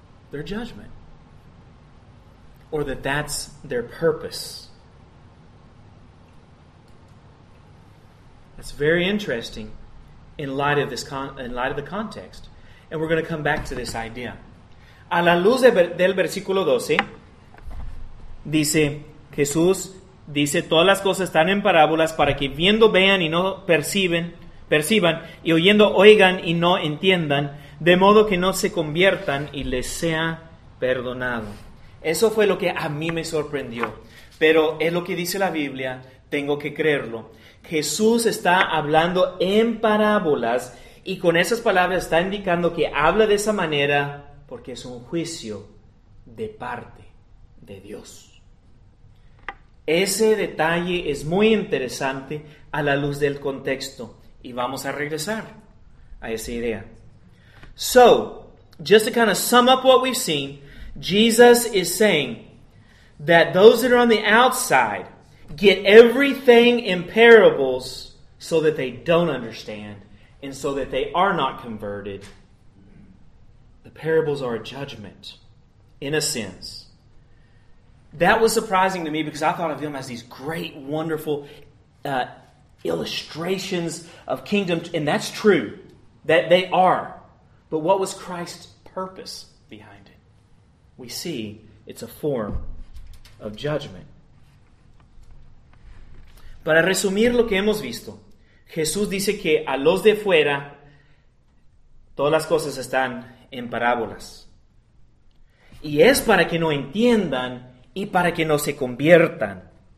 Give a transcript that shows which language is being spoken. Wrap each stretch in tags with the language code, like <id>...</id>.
<en>They're judgment. Or that that's their purpose. That's very interesting in light of this in light of the context. And we're going to come back to this idea.</en> <es>A la luz del versículo 12, dice Jesús, dice, todas las cosas están en parábolas para que viendo vean y no perciban, y oyendo oigan y no entiendan, de modo que no se conviertan y les sea perdonado. Eso fue lo que a mí me sorprendió. Pero es lo que dice la Biblia, tengo que creerlo. Jesús está hablando en parábolas y con esas palabras está indicando que habla de esa manera porque es un juicio de parte de Dios. Ese detalle es muy interesante a la luz del contexto. Y vamos a regresar a esa idea.</es> <en>So, just to kind of sum up what we've seen, Jesus is saying that those that are on the outside get everything in parables so that they don't understand and so that they are not converted. The parables are a judgment, in a sense. That was surprising to me because I thought of them as these great, wonderful illustrations of kingdom. And that's true, that they are. But what was Christ's purpose behind it? We see it's a form of judgment.</en> <es>Para resumir lo que hemos visto, Jesús dice que a los de fuera, todas las cosas están en parábolas. Y es para que no entiendan y para que no se conviertan.</es>